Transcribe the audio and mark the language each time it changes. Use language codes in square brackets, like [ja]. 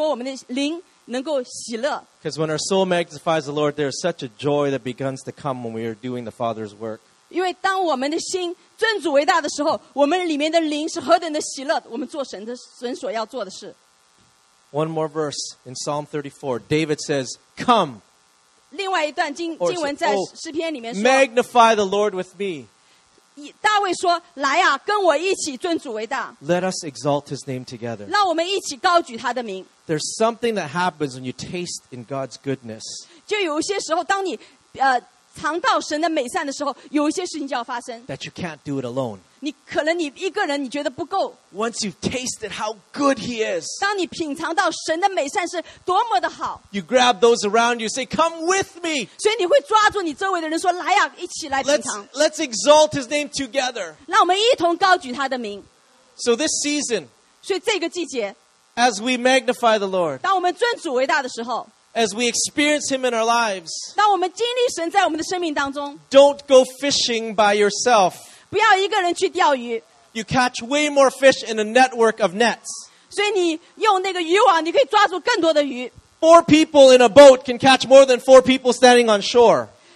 [zh] 所以明年可能我们就会说我们的灵能够喜乐。 [en] Because when our soul magnifies the Lord, there's such a joy that begins to come when we are doing the Father's work. [zh] 因为当我们的心尊主为大的时候, 我们里面的灵是何等的喜乐, 我们做神所要做的事。 [en] One more verse in Psalm 34. David says, come. [zh] 另外一段经文在诗篇里面说, [en] magnify the Lord with me. [zh] 大卫说, 来啊, 跟我一起尊主为大。 [en] Let us exalt his name together. [zh] 让我们一起高举他的名。 [en] There's something that happens when you taste in God's goodness. [zh] 就有些时候, 当你, 尝到神的美善的时候，有一些事情就要发生。 [en] That you can't do it alone. [zh] 你可能你一个人你觉得不够。 [en] Once you've tasted how good he is. [zh] 当你品尝到神的美善是多么的好。 [en] You grab those around you, say, come with me. [zh] 所以你会抓住你周围的人说，来呀，一起来品尝。 [en] Let's exalt his name together. [zh] 让我们一同高举他的名。 [en] So this season. [zh] 所以这个季节。 [en] As we magnify the Lord. [zh] 当我们尊主伟大的时候。 [en] As we experience him in our lives, [zh] 当我们经历神在我们的生命当中, [en] don't go fishing by yourself. You catch way more fish in a network of nets. [zh] 所以你用那个渔网, [en] 4 people in a boat can catch more than 4 people standing on shore.